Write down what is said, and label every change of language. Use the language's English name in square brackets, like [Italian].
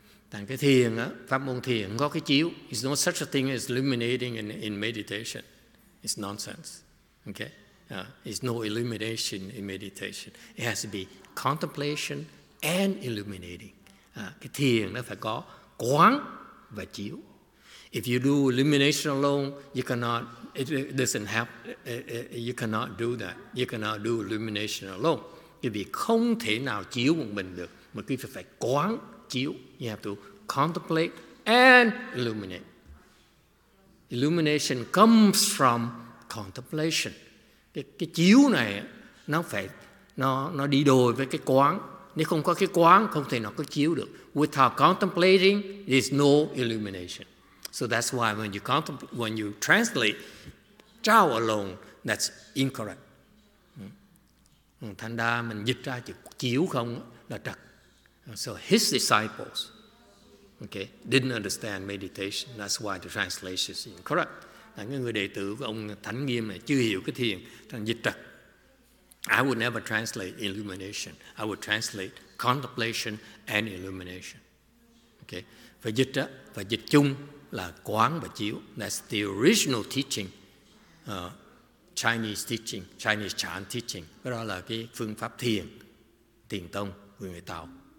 [Vietnamese] Tại cái thiền á, pháp môn thiền có cái chiếu. [English] It's not such a thing as illuminating in meditation. It's nonsense. Okay? It's no illumination in meditation. It has to be contemplation and illuminating. [Vietnamese] Cái thiền nó phải có quán và chiếu. [English] If you do illumination alone, you cannot do that. You cannot do illumination alone. [Vietnamese] Quý vị không thể nào chiếu một mình được. Mà quý vị phải quán chiếu. [English] You have to contemplate and illuminate. Illumination comes from contemplation. [Vietnamese] Cái chiếu này nó đi đôi với cái quán. Nếu không có cái quán, không thể nào có chiếu được. [English] Without contemplating, there's no illumination. So that's why when you translate chao alone, that's incorrect. [Vietnamese] Thành ra mình dịch ra chữ chiếu không là trật. [English] So his disciples, okay, didn't understand meditation. That's why the translation is incorrect. [Vietnamese] Là cái người đệ tử của ông Thánh Nghiêm này chưa hiểu cái thiền, thành dịch trật. [English] I would never translate illumination. I would translate contemplation and illumination. Okay. [Vietnamese] Phải dịch chung là quán và chiếu. [English] That's the original teaching, Chinese teaching, Chinese Chan teaching. [Vietnamese] Cái đó là cái phương pháp thiền, thiền tông của người Tàu.